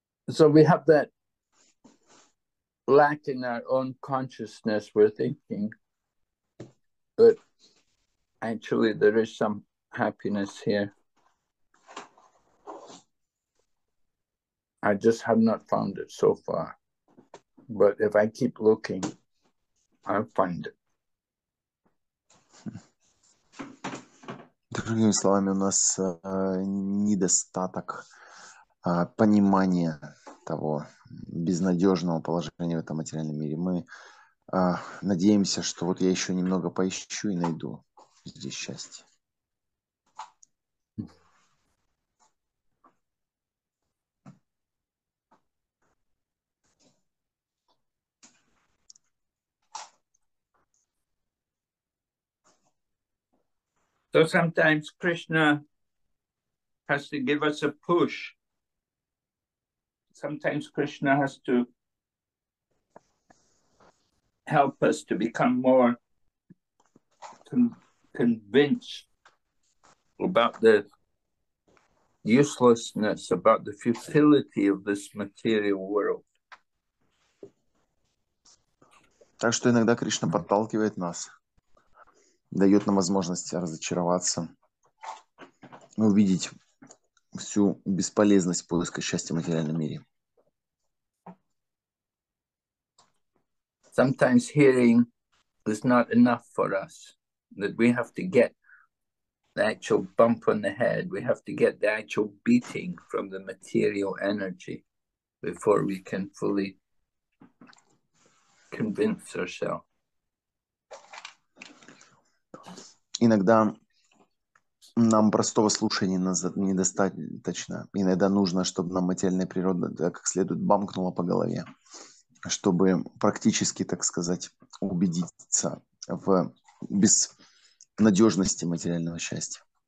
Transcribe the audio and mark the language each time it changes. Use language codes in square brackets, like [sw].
[en] So we have that lack in our own consciousness, we're thinking, but actually there is some happiness here. I just have not found it so far, but if I keep looking, I'll find it. [ru] Другими словами, у нас недостаток понимания того безнадежного положения в этом материальном мире. Мы надеемся, что вот я еще немного поищу и найду здесь счастье. [en] So sometimes Krishna has to give us a push. Sometimes Krishna has to help us to become more convinced about the uselessness, about the futility of this material world. [ru] Так что иногда Кришна подталкивает нас, дает нам возможность разочароваться, увидеть всю бесполезность поиска счастья в материальном мире. [en] Sometimes hearing is not enough for us, that we have to get the actual bump on the head, we have to get the actual beating from the material energy before we can fully convince ourselves. [ru] Иногда нам простого слушания назад недостаточно. Иногда нужно, чтобы нам материальная природа как следует бамкнула по голове, чтобы практически, так сказать, убедиться в безнадежности материального счастья.